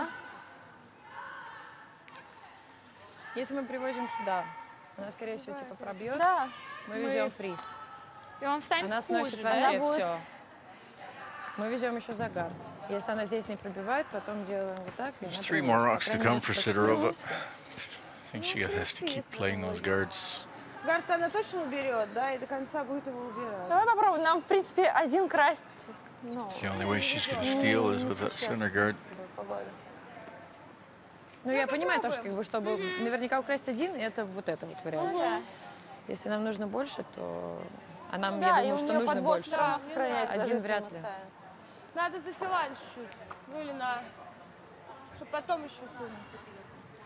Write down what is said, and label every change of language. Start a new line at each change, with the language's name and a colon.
Russian: будет. Если мы привозим сюда, она, скорее всего, типа пробьет. Да. Мы везем фриз. И он встанет. Она сносит вообще все. Мы везем еще за гард. Если она здесь не пробивает, потом делаем вот так.
English: There's three more rocks to come for Sidorova. I think she has to keep playing those guards.
Russian: Гарта она точно уберет, да, и до конца будет его убирать. Давай попробуем, нам в принципе один красть.
English: No. The only way she's gonna steal is with that center guard.
Russian: Ну, я понимаю то, что как бы, чтобы наверняка украсть один, это вот это вот вариант. Если нам нужно больше, то... А нам, я думаю, что нужно больше. Один вряд ли. Надо затилать чуть-чуть. Ну, или на... Чтобы потом еще сузить.